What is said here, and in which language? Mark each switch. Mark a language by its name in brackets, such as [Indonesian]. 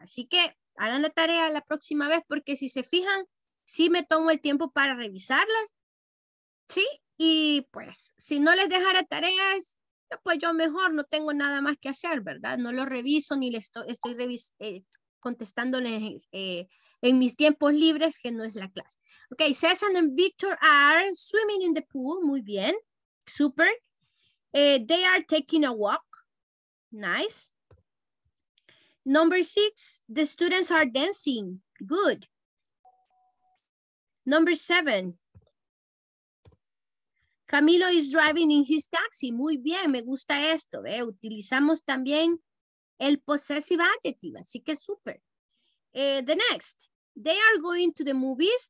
[Spanish] Así que hagan la tarea la próxima vez porque si se fijan, sí me tomo el tiempo para revisarlas. Sí, y pues si no les dejara tareas, pues yo mejor no tengo nada más que hacer, ¿verdad? No lo reviso ni le estoy contestándoles en mis tiempos libres, que no es la clase. [English] Ok, César and Victor are swimming in the pool. [Spanish] Muy bien, [English] super. They are taking a walk. Nice. Number six, the students are dancing. Good. Number seven. Camilo is driving in his taxi. [Spanish] Muy bien, me gusta esto. Utilizamos también el possessive adjective, así que súper. [English] The next, they are going to the movies.